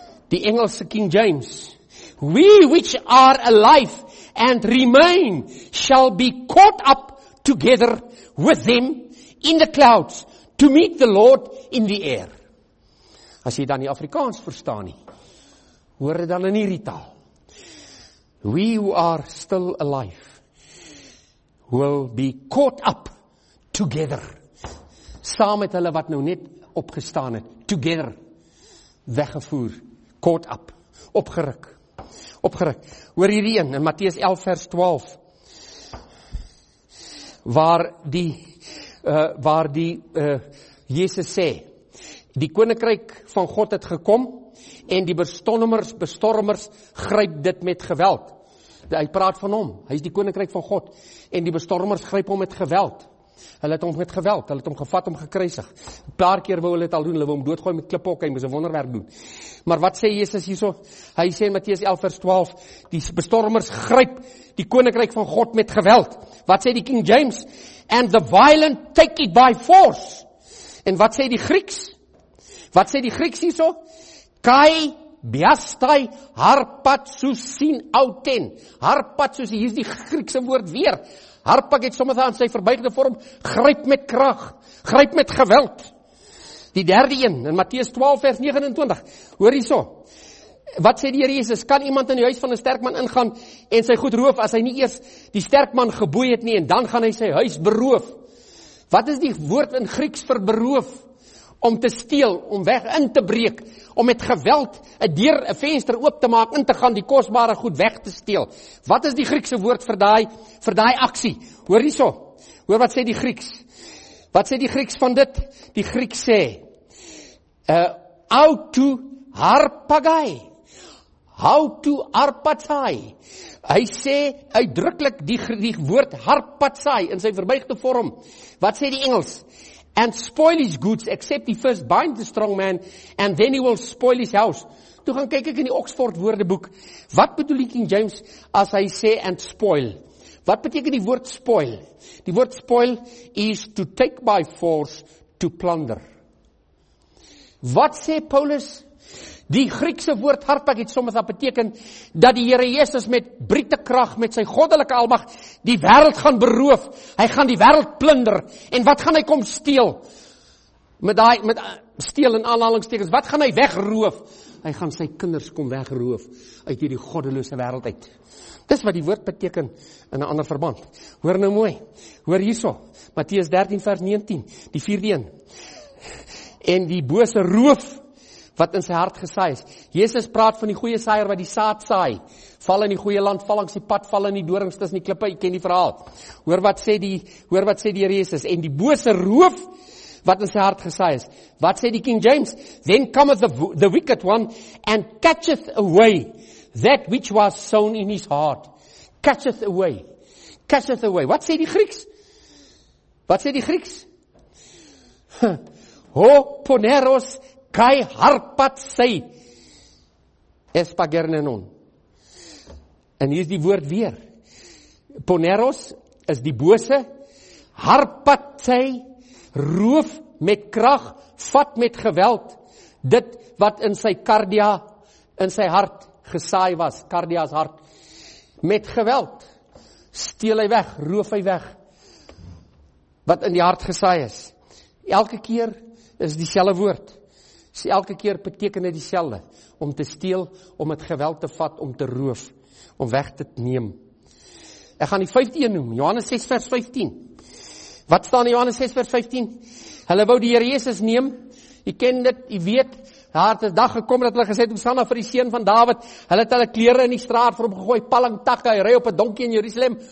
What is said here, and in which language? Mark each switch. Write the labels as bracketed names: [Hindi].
[Afrikaans] Die Engelse King James: [English] we which are alive and remain shall be caught up together with them in the clouds to meet the Lord in the air. [Afrikaans] As jy dan die Afrikaans verstaan nie, hoor dit dan in hierdie taal. [English] We who are still alive will be caught up together. [Afrikaans] Saam met hulle wat nou net opgestaan het, together, weggevoer. Kort op, opgeruk. Hoor hierdie een, in Matteus 11 vers 12, waar Jesus sê, die koninkryk van God het gekom, en die bestormers gryp dit met geweld. Hy praat van hom, hy is die koninkryk van God, en die bestormers gryp hom met geweld. Hulle het hom met geweld, hulle het hom gevat, hom gekruisig. Paar keer wou hulle dit al doen, hulle wou hom doodgooi met klippe, hy moes 'n wonderwerk doen. Maar wat sê Jesus hierso? Hy sê in Matteus 11 vers 12, die bestormers gryp die koninkryk van God met geweld. Wat sê die King James? [English] And the violent take it by force. [Afrikaans] En wat sê die Grieks? Wat sê die Grieks hierso? [Greek] Kai biastai harpatsousin auten. [Afrikaans] Harpatsousi, hier is die Griekse woord weer. Harpak het sommer aan sy verbuigde vorm, gryp met krag, gryp met geweld. Die derde een, in Matteus 12 vers 29, hoor hierso, Wat sê die Here Jesus? Kan iemand in die huis van 'n sterk man ingaan en sy goed roof as hy nie eers die sterk man geboei het nie en dan gaan hy sy huis beroof? Wat is die woord in Grieks vir beroof? Om te steel, om weg in te breek, om met geweld 'n deur, 'n venster oop te maak, in te gaan, die kosbare goed weg te steel. Wat is die Griekse woord vir daai aksie? Hoor hierso. Hoor wat sê die Grieks? Wat sê die Grieks van dit? Die Grieks sê [Greek] auto harpagai. How to arpatsai. [Afrikaans] Hy sê uitdruklik die woord harpatsai in sy verbuigde vorm. Wat sê die Engels? [English] And spoil his goods, except he first bind the strong man, and then he will spoil his house. [Afrikaans] Toe gaan kyk ek in die Oxford woordeboek. Wat bedoel die King James as hy sê [English] and spoil? [Afrikaans] Wat beteken die woord spoil? Die woord spoil is [English] to take by force, to plunder. [Afrikaans] Wat sê Paulus? Die Griekse woord harpak het sommer dat beteken dat die Here Jesus met briete krag, met sy goddelike almag, die wêreld gaan beroof. Hy gaan die wêreld plunder. En wat gaan hy kom steel? Met steel in aanhalingstekens. Wat gaan hy wegroof? Hy gaan sy kinders kom wegroof uit hierdie goddelose wêreld uit. Dis wat die woord beteken in 'n ander verband. Hoor nou mooi. Hoor hierso. Matteus 13 vers 19, die 4de een. En die bose roof wat in sy hart gesaai is. Jesus praat van die goeie saaier wat die saad saai. Val in die goeie land, val langs die pad, val in die dorings tussen die klippe, jy ken die verhaal. Hoor wat sê die Here Jesus en die bose roof wat in sy hart gesaai is. Wat sê die King James? [English] Then cometh the wicked one and catcheth away that which was sown in his heart. Catcheth away. Catcheth away. [Afrikaans] Wat sê die Grieks? Wat sê die Grieks? [Greek] Ho poneros kai harpat sy espagernenon. [Afrikaans] En hier is die woord weer. Poneros is die bose. Harpat sy roof met krag, vat met geweld dit wat in sy kardia, in sy hart gesaai was, kardia's hart. Met geweld steel hy weg, roof hy weg wat in die hart gesaai is. Elke keer is dieselfde woord. Elke keer beteken dit dieselfde. Om te steel, om het geweld te vat, om te roof, om weg te neem. Ek gaan die 15 noem, Johannes 6 vers 15. Wat staan in Johannes 6 vers 15? Hulle wou die Here Jesus neem. Jy ken dit, jy weet, daar het 'n dag gekom dat hulle gesê het, Hosanna vir die seun van Dawid. Hulle het hulle klere in die straat vir hom gegooi, palmtakke, hy ry op 'n donkie in Jerusalem.